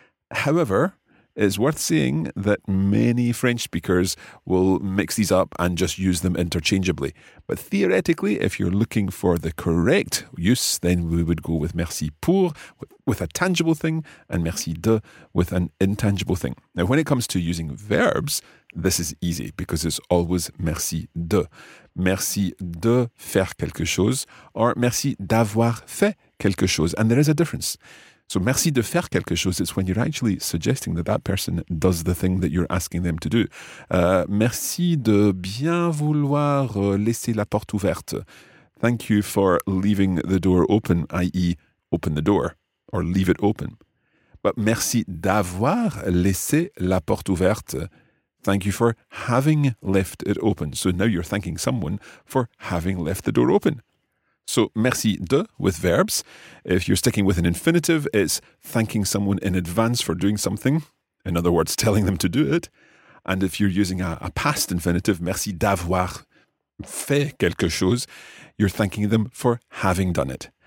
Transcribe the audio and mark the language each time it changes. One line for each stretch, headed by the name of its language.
English: However, it's worth saying that many French speakers will mix these up and just use them interchangeably. But theoretically, if you're looking for the correct use, then we would go with merci pour with a tangible thing and merci de with an intangible thing. Now, when it comes to using verbs, this is easy because it's always merci de.
French: Merci de faire quelque chose or merci d'avoir fait quelque chose.
English: And there is a difference. So
French: merci de faire quelque chose
English: is when you're actually suggesting that that person does the thing that you're asking them to do.
French: Merci de bien vouloir laisser la porte ouverte.
English: Thank you for leaving the door open, i.e. open the door or leave it open.
French: But merci d'avoir laissé la porte ouverte.
English: Thank you for having left it open. So now you're thanking someone for having left the door open. So, merci de with verbs. If you're sticking with an infinitive, it's thanking someone in advance for doing something. In other words, telling them to do it. And if you're using a past infinitive,
French: merci d'avoir fait quelque chose,
English: you're thanking them for having done it.